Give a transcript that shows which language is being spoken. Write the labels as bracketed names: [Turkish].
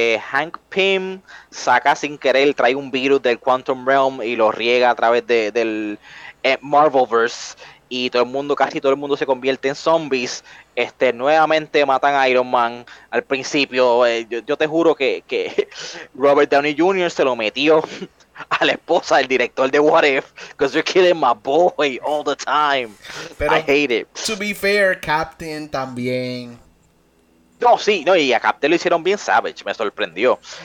[Spanish] Hank Pym saca sin querer, trae un virus del Quantum Realm y lo riega a través del Marvelverse, y casi todo el mundo se convierte en zombies. Nuevamente matan a Iron Man al principio. Yo te juro que Robert Downey Jr. se lo metió a la esposa del director de [English] What If, because you're killing my boy all the time. [Spanish] Pero, [English] I hate it. To be fair, Captain [Spanish] también. No, sí, no, y a Captain lo hicieron bien [English] savage, [Spanish] me sorprendió.